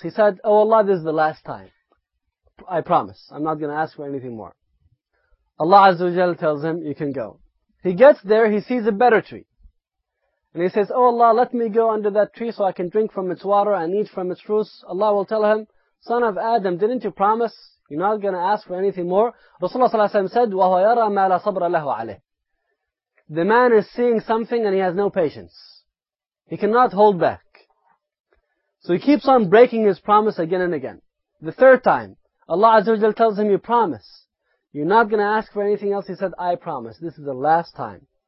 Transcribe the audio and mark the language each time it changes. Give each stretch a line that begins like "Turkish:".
English: He said, oh Allah, this is the last time. I promise, I'm not going to ask for anything more. Allah Azza wa Jal tells him, you can go. He gets there, he sees a better tree. And he says, oh Allah, let me go under that tree so I can drink from its water and eat from its fruits. Allah will tell him, son of Adam, didn't you promise you're not going to ask for anything more? Rasulullah ﷺ said,
Arabic: وَهُوَ يَرَى مَا لَا صَبْرَ لَهُ عَلَيْهِ.
English: The man is seeing something and he has no patience. He cannot hold back. So he keeps on breaking his promise again and again. The third time, Allah Azza wa Jalla tells him, you promise. You're not going to ask for anything else. He said, I promise. This is the last time.